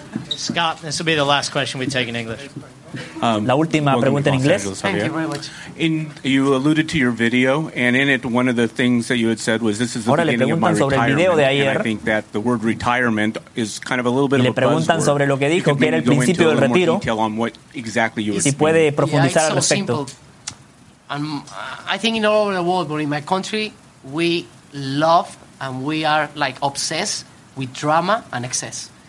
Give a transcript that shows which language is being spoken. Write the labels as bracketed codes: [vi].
[en] Scott, this will be the last question we take in English. [es] La última pregunta en inglés. [en] Thank you very much. You alluded to your video, and in it, one of the things that you had said was, "This is the [es] ahora [en] beginning of my retirement." [es] El video de ayer, [en] and I think that the word retirement is kind of a little bit of a buzzword. [es] Le preguntan sobre lo que dijo, que era el principio del retiro. [en] Can you go into a little more detail on what exactly you were saying? [es] Y si puede profundizar al respecto. [en] I think in all over the world, but in my country, we love and we are like obsessed with drama and excess.